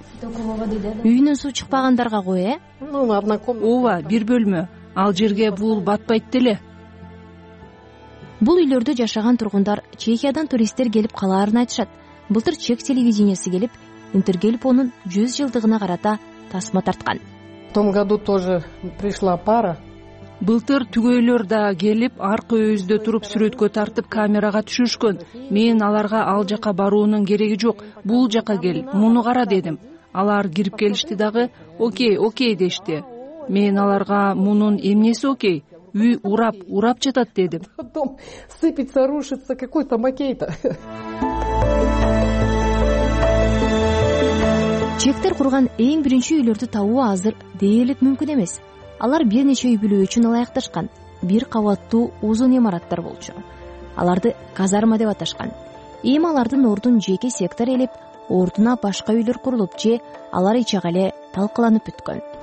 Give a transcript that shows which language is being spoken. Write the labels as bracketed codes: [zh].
[ky] Үйүнөн суу чыкпагандарга кой, э? [ru] Ну, одна комната. [ky] Ооба, бир бөлмө. Ал жерге бул батпайт деле. Бул үйлөрдө жашаган тургундар Чехиядан туристтер келип калаарын айтышат. Былтыр чек телевидениясы келип, Интергелпонун 100 жылдыгына карата тасма тарткан. [ru] В том году тоже пришла пара. [ky] Былтыр түгөйлөр да келип, аркы өйүздө туруп сүрөткө тартып камерага түшүшкөн. Мен аларга ал жака баруунун кереги жок. Бул жака кел, муну кара дедим. Алар кирип келишти дагы, окей, окей дешти. Мен аларга мунун эмнеси окей? Үй урап, урап жатат дедим. [ru] Сыпется, рушится, какой там окей-то. [ky] Чектер курган эң биринчи үйлөрдү табуу азыр дээрлик мүмкүн эмес. Алар бир нече үй бүлө үчүн ылайыкташкан. Бир кабаттуу узун имараттар болчу. Аларды казарма деп аташкан. Эми алардын ордун жеке сектор ээлеп, ордуна башка үйлөр курулуп же алар ичага эле талкаланып бүткөн.